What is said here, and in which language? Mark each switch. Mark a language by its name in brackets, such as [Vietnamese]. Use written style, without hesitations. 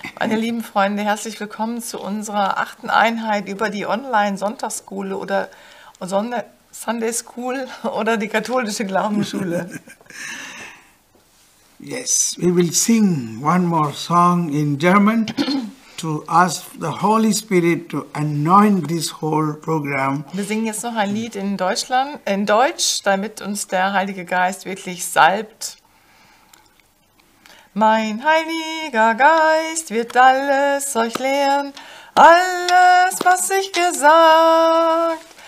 [German] Meine lieben Freunde, herzlich willkommen zu unserer 8. Einheit über die online Sonntagsschule oder Sunday School oder die katholische Glaubensschule. [English] Yes, we will sing one more song in German to ask the Holy Spirit to anoint this whole program. [German] Wir singen jetzt noch ein Lied in Deutschland, in Deutsch, damit uns der Heilige Geist wirklich salbt. Mein Heiliger Geist wird alles euch lehren, alles, was ich gesagt.